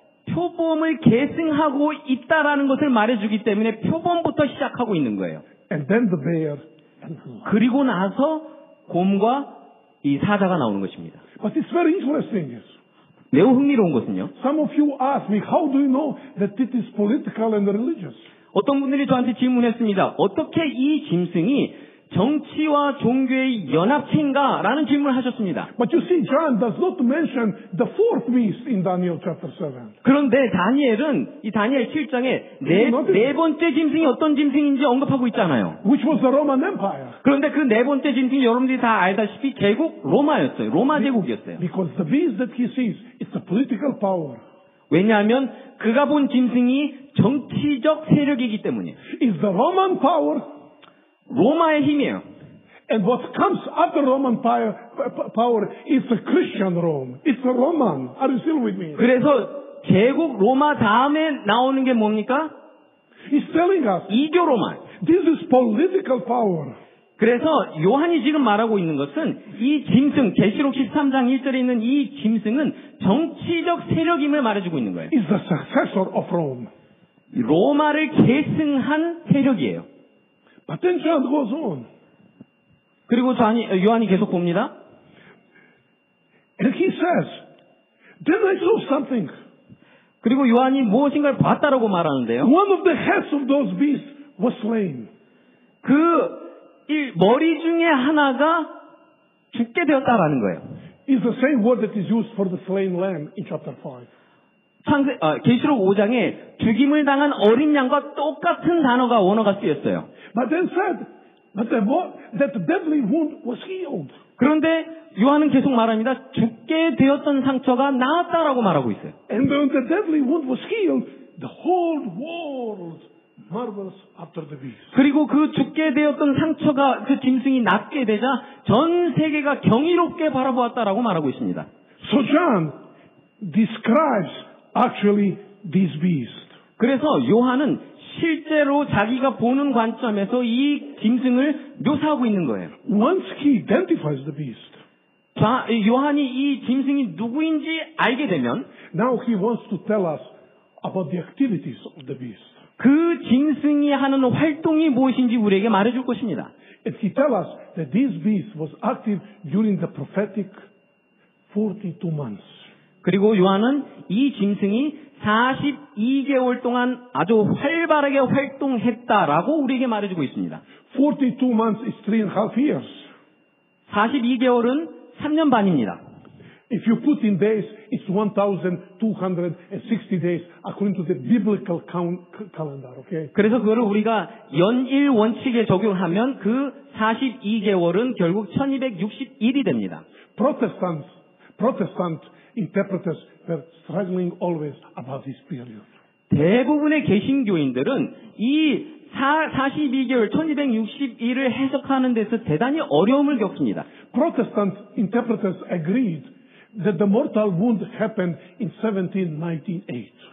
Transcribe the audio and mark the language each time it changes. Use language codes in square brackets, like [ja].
[ko] 표범을 계승하고 있다라는 것을 말해주기 때문에 표범부터 시작하고 있는 거예요. [en] And then the bear and the [ko] 그리고 나서 곰과 이 사자가 나오는 것입니다. [en] But it's very interesting. [ko] 매우 흥미로운 것은요. [en] Some of you ask me, how do you know that it is political and religious? [ko] 어떤 분들이 저한테 질문했습니다. 어떻게 이 짐승이 정치와 종교의 연합체인가라는 질문을 하셨습니다. [en] But you see, John does not mention the fourth beast in Daniel chapter 7. [ko] 그런데 다니엘은 이 다니엘 7장에 네 번째 짐승이 어떤 짐승인지 언급하고 있잖아요. [en] Which was the Roman Empire. [ko] 그런데 그 네 번째 짐승이 여러분들이 다 알다시피 제국 로마였어요. 로마 제국이었어요. [en] Because the beast that he sees is a political power. [ko] 왜냐하면 그가 본 짐승이 정치적 세력이기 때문이에요. [en] Is the Roman power [ko] 로마의 힘이에요. [en] And what comes after Roman power is a Christian Rome. It's a Roman. Are you still with me? [ko] 그래서 제국 로마 다음에 나오는 게 뭡니까? [en] He's telling us. [ko] 이교 로마. [en] This is political power. [ko] 그래서 요한이 지금 말하고 있는 것은 이 짐승, 계시록 13장 1절에 있는 이 짐승은 정치적 세력임을 말해주고 있는 거예요. [en] Is the successor of Rome. [ko] 로마를 계승한 세력이에요. [en] But then John goes on. [ko] 그리고 요한이 계속 봅니다. [en] And he says, then I saw something. [ko] 그리고 요한이 무엇인가를 봤다라고 말하는데요. [en] One of the heads of those beasts was slain. [ko] 그 이 머리 중에 하나가 죽게 되었다라는 거예요. [en] It's the same word that is used for the slain lamb in chapter 5. [ko] 계시록 5장에 죽임을 당한 어린 양과 똑같은 단어가 원어가 쓰였어요. [en] But then said that the deadly wound was healed. [ko] 그런데 요한은 계속 말합니다. 죽게 되었던 상처가 나았다라고 말하고 있어요. [en] And when the deadly wound was healed, the whole world marvels after the beast. [ko] 그리고 그 죽게 되었던 상처가 그 짐승이 낫게 되자 전 세계가 경이롭게 바라보았다라고 말하고 있습니다. [en] So John describes actually this beast. [ko] 그래서 요한은 실제로 자기가 보는 관점에서 이 짐승을 묘사하고 있는 거예요. [en] Once he identifies the beast. [ko] 자, 요한이 이 짐승이 누구인지 알게 되면 [en] now he wants to tell us about the activities of the beast. [ko] 그 짐승이 하는 활동이 무엇인지 우리에게 말해 줄 것입니다. [en] And he tells us that this beast was active during the prophetic 42 months. [ko] 그리고 요한은 이 짐승이 42개월 동안 아주 활발하게 활동했다라고 우리에게 말해주고 있습니다. [en] 42 months is 3 and a half years. [ko] 42개월은 3년 반입니다. [en] If you put in days, it's 1260 days according to the biblical calendar, okay? [ko] 그래서 그거를 우리가 연일 원칙에 적용하면 그 42개월은 결국 1261이 됩니다. [en] Protestants interpreters were struggling always about this period. [ko] 대부분의 개신교인들은 이 42개월 1261을 해석하는 데서 대단히 어려움을 겪습니다. [en] Protestant interpreters agreed that the mortal wound happened in 1798.